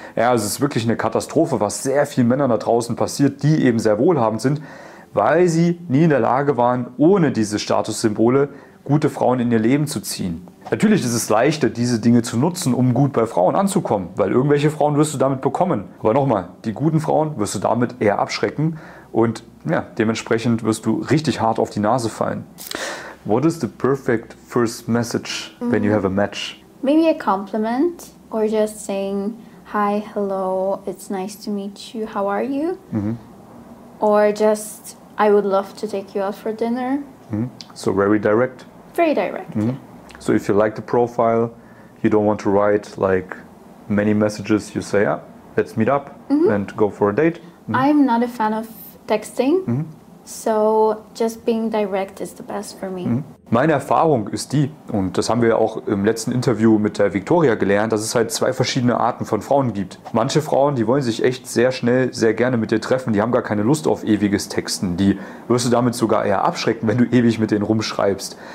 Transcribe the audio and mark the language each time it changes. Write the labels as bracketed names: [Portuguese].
[German] Ja, also es ist wirklich eine Katastrophe, was sehr vielen Männern da draußen passiert, die eben sehr wohlhabend sind, weil sie nie in der Lage waren, ohne diese Statussymbole gute Frauen in ihr Leben zu ziehen. Natürlich ist es leichter, diese Dinge zu nutzen, um gut bei Frauen anzukommen, weil irgendwelche Frauen wirst du damit bekommen. Aber nochmal, die guten Frauen wirst du damit eher abschrecken und ja, dementsprechend wirst du richtig hart auf die Nase fallen. [English] What is the perfect first message when you have a match? Maybe a compliment or just saying, hi, hello, it's nice to meet you, how are you? Or just, I would love to take you out for dinner. So very direct? Very direct, yeah. So if you like the profile, you don't want to write like many messages, you say, yeah, let's meet up and go for a date. I'm not a fan of texting, so just being direct is the best for me. [German] Meine Erfahrung ist die, und das haben wir auch im letzten Interview mit der Victoria gelernt, dass es halt zwei verschiedene Arten von Frauen gibt. Manche Frauen, die wollen sich echt sehr schnell, sehr gerne mit dir treffen, die haben gar keine Lust auf ewiges Texten. Die wirst du damit sogar eher abschrecken, wenn du ewig mit denen rumschreibst.